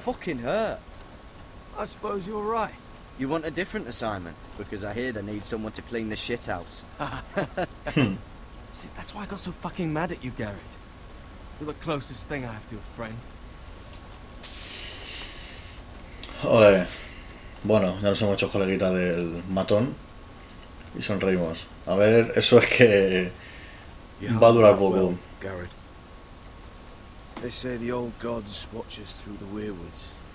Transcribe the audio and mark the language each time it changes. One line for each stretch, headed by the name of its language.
English: Fucking hurt. I suppose you're right. You want a different assignment, because I hear they need someone to clean the shit house. See, that's why I got so fucking mad at you, Garrett. You're the closest thing I have to a friend. Ole.
Spanish: Bueno, ya nos hemos hecho coleguita del matón y sonreímos. A ver, eso es que va a durar poco.
English: Garrett. They say the old gods watch us through the weirwoods.